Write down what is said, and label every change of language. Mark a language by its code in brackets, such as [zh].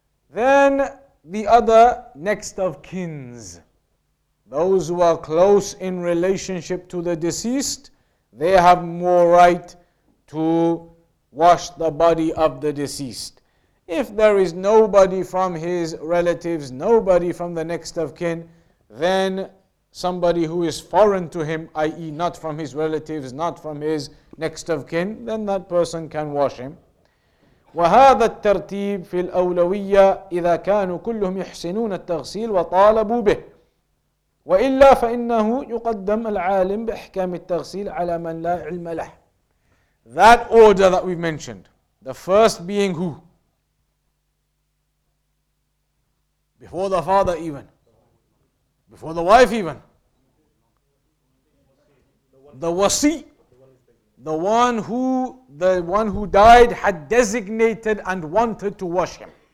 [en] Then the other next of kins, those who are close in relationship to the deceased, they have more right to wash the body of the deceased. If there is nobody from his relatives, nobody from the next of kin, then somebody who is foreign to him, i.e. not from his relatives, not from his next of kin, then that person can wash him. [ar] وهذا الترتيب في الأولوية إذا كانوا كلهم يحسنون التغسيل وطالبوا به وإلا فإنه يقدم العالم بإحكام التغسيل على من لا علم له. [en] That order that we mentioned, the first being who? Before the father even. Before the wife even. The wasi, the one who died had designated and wanted to wash him.